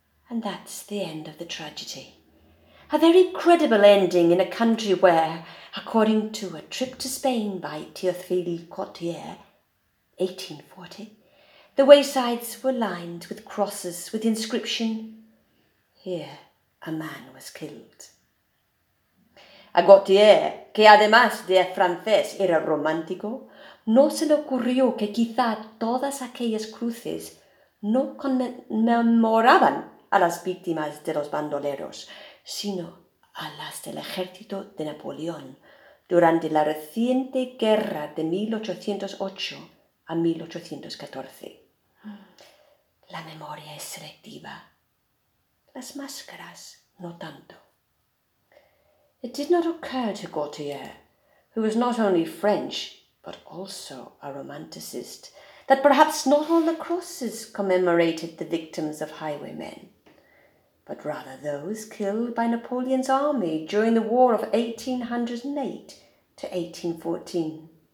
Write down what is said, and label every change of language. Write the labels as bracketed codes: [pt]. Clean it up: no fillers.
[en] And that's the end of the tragedy. A very credible ending in a country where, according to a trip to Spain by Théophile Gautier, 1840, the waysides were lined with crosses with the inscription, "Here a man was killed." [es] A Gautier, que además de francés era romántico, no se le ocurrió que quizá todas aquellas cruces no conmemoraban a las víctimas de los bandoleros, sino a las del ejército de Napoleón durante la reciente guerra de 1808 a 1814. La memoria es selectiva, las máscaras no tanto. [en] It did not occur to Gautier, who was not only French, but also a romanticist, that perhaps not all the crosses commemorated the victims of highwaymen, but rather those killed by Napoleon's army during the war of 1808 to 1814.